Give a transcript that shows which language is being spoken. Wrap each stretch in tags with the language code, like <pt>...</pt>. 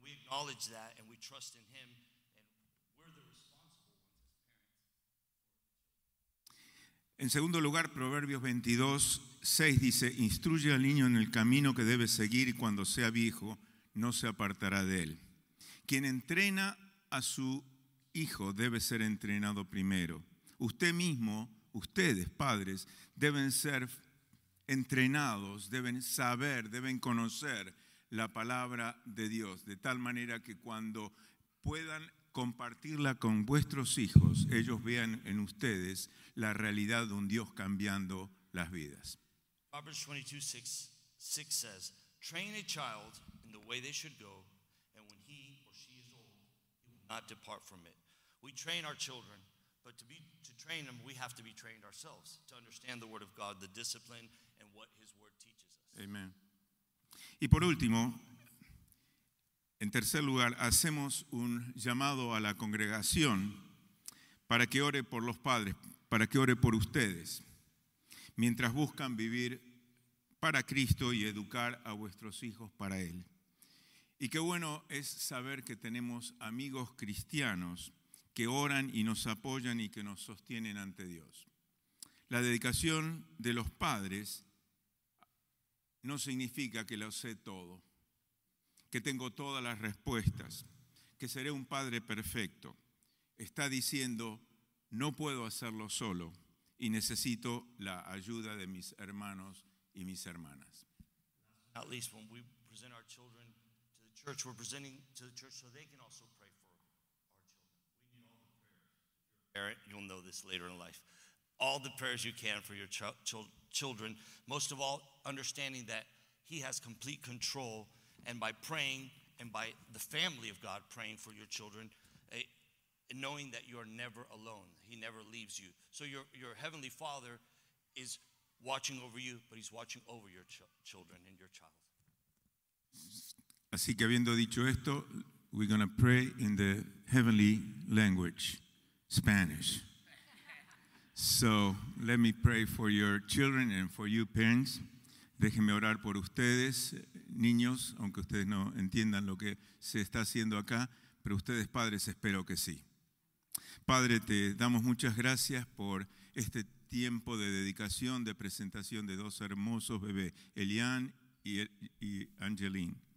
<en>Acknowledge that, and we trust in Him, and we're the responsible ones as parents.</en> <es>En segundo lugar, Proverbios 22:6 dice: instruye al niño en el camino que debe seguir, y cuando sea viejo no se apartará de él. Quien entrena a su hijo debe ser entrenado primero. Usted mismo, ustedes padres, deben ser entrenados, deben saber, deben conocer la palabra de Dios, de tal manera que cuando puedan compartirla con vuestros hijos, ellos vean en ustedes la realidad de un Dios cambiando las vidas.</es> <en>Proverbs 22:6 says, train a child in the way they should go, and when he or she is old, he will not depart from it. We train our children, but to train them, we have to be trained ourselves to understand the word of God, the discipline, and what His word teaches us. Amen.</en> <es>Y por último, en tercer lugar, hacemos un llamado a la congregación para que ore por los padres, para que ore por ustedes, mientras buscan vivir para Cristo y educar a vuestros hijos para Él. Y qué bueno es saber que tenemos amigos cristianos que oran y nos apoyan y que nos sostienen ante Dios. La dedicación de los padres no significa que lo sé todo, que tengo todas las respuestas, que seré un padre perfecto. Está diciendo, no puedo hacerlo solo y necesito la ayuda de mis hermanos y mis hermanas.</es> <en>At least when we present our children to the church, we're presenting to the church so they can also pray for our children. We need all the prayer. Eric, you'll know this later in life. All the prayers you can for your children, most of all, understanding that He has complete control, and by praying, and by the family of God praying for your children, knowing that you are never alone. He never leaves you. So your Heavenly Father is watching over you, but He's watching over your children and your child.</en> <es>Así que habiendo dicho esto,</es> <en>we're going to pray in the heavenly language, Spanish. So, let me pray for your children and for you parents.</en> <es>Déjenme orar por ustedes, niños, aunque ustedes no entiendan lo que se está haciendo acá, pero ustedes padres espero que sí. Padre, te damos muchas gracias por este tiempo de dedicación, de presentación de dos hermosos bebés, Elian y Angeline.</es>